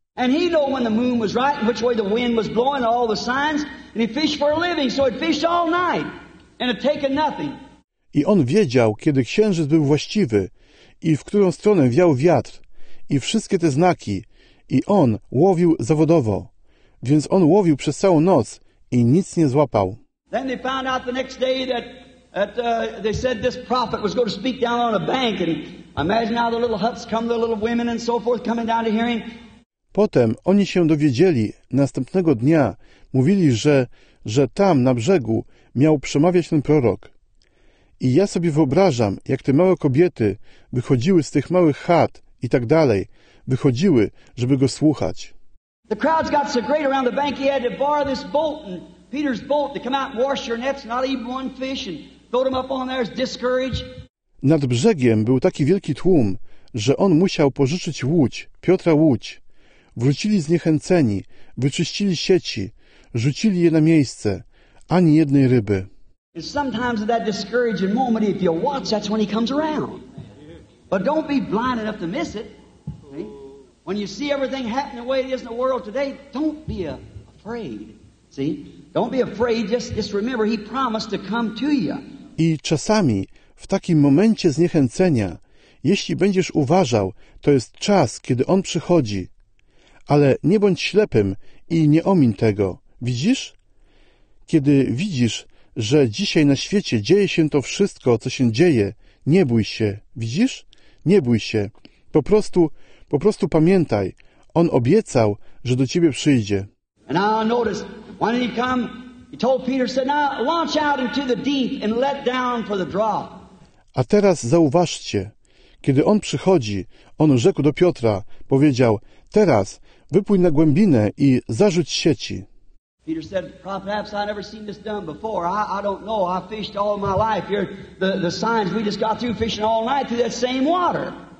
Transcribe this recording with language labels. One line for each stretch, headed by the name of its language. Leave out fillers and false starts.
English: And he knew when the moon was right and which way the wind was blowing, all the signs, and he fished for a living, so he fished all night and had taken nothing.
Polish: I on wiedział, kiedy księżyc był właściwy i w którą stronę wiał wiatr i wszystkie te znaki i on łowił zawodowo. Więc on łowił przez całą noc i nic nie złapał.
English: Then they found out the next day that they said this prophet was going to speak down on a bank and imagine how the little huts come, the little women and so forth coming down to hear him.
Polish: Potem oni się dowiedzieli następnego dnia, mówili, że tam na brzegu miał przemawiać ten prorok. I ja sobie wyobrażam, jak te małe kobiety wychodziły z tych małych chat i tak dalej, wychodziły, żeby go słuchać.
English: The crowds got so great around the bank he had to borrow this boat and Peter's boat to come out and wash your nets, not even one fish, and throw them up on there as discouraged.
Polish: Nad brzegiem był taki wielki tłum, że on musiał pożyczyć łódź, Piotra łódź. Wrócili zniechęceni, wyczyścili sieci, rzucili je na miejsce, ani jednej ryby.
English: And sometimes at that discouraging moment, if you watch, that's when he comes around. But don't be blind enough to miss it. Okay? When you see everything happen the way it is in the world today, don't be afraid. See? Don't be afraid, just remember he promised to come to you.
Polish: I czasami w takim momencie zniechęcenia, jeśli będziesz uważał, to jest czas, kiedy on przychodzi. Ale nie bądź ślepym i nie omiń tego. Widzisz? Kiedy widzisz, że dzisiaj na świecie dzieje się to wszystko, co się dzieje, Nie bój się. Widzisz? Nie bój się. Po prostu pamiętaj. On obiecał, że do ciebie przyjdzie.
English: And I noticed, when he come, he told Peter, said, now launch out into the deep and let down for the draw.
Polish: A teraz zauważcie, kiedy on przychodzi, on rzekł do Piotra, powiedział, teraz wypłyń na głębinę i zarzuć sieci.
English: Peter said, perhaps I've never seen this done before. I don't know. I fished all my life. Here, the signs, we just got through fishing all night through that same water.